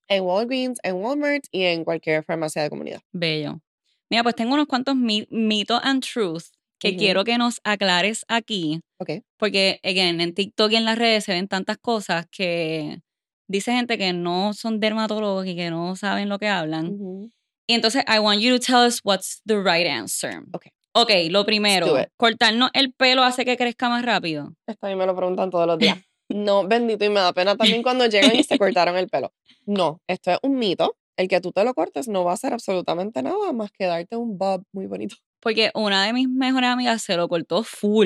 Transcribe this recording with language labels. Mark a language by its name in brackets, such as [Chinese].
[Spanish] En Walgreens, en Walmart y en cualquier farmacia de comunidad. Bello. Mira, pues tengo unos cuantos mitos [English] and truth [Spanish] que uh-huh. quiero que nos aclares aquí. Ok. Porque, [English] again, [Spanish] en TikTok y en las redes se ven tantas cosas que dice gente que no son dermatólogos y que no saben lo que hablan. Uh-huh. Y entonces, [English] I want you to tell us what's the right answer. Ok. [Spanish] Ok, lo primero, ¿cortarnos el pelo hace que crezca más rápido? Esto a mí me lo preguntan todos los días. No, bendito, y me da pena también cuando llegan y se cortaron el pelo. No, esto es un mito. El que tú te lo cortes no va a hacer absolutamente nada más que darte un bob muy bonito. Porque una de mis mejores amigas se lo cortó full.